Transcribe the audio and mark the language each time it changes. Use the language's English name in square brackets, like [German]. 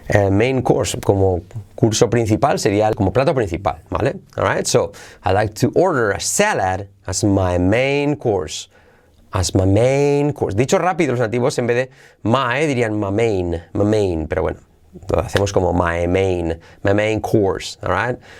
[Spanish] Main course, como curso principal, sería como plato principal, ¿vale? [English] All right, so, I like to order a salad as my main course. As my main course. [Spanish] Dicho rápido, los nativos, en vez de my, dirían my main, pero bueno, lo hacemos como my main course, [English] all right?